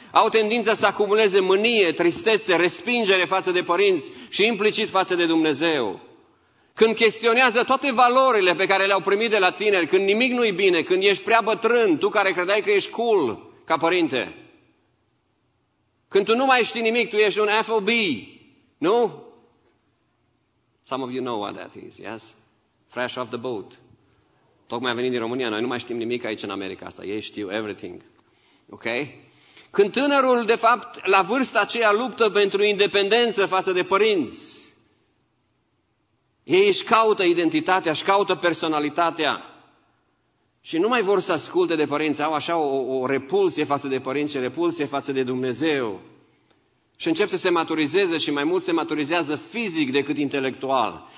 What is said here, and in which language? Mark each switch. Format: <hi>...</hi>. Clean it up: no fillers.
<ro>Au tendința să acumuleze mânie, tristețe, respingere față de părinți și implicit față de Dumnezeu. Când chestionează toate valorile pe care le-au primit de la tineri, când nimic nu-i bine, când ești prea bătrân, tu care credeai că ești cool ca părinte. Când tu nu mai știi nimic, tu ești un FOB, nu?</ro> <en>Some of you know what that is, yes? Fresh off the boat.</en> <ro>Tocmai a venit din România, noi nu mai știm nimic aici în America asta, ei știu</ro> <en>everything, ok?</en> <ro>Când tânărul, de fapt, la vârsta aceea luptă pentru independență față de părinți, ei își caută identitatea, își caută personalitatea și nu mai vor să asculte de părinți, au așa o repulsie față de părinți și repulsie față de Dumnezeu și încep să se maturizeze și mai mult se maturizează fizic decât intelectual.</ro>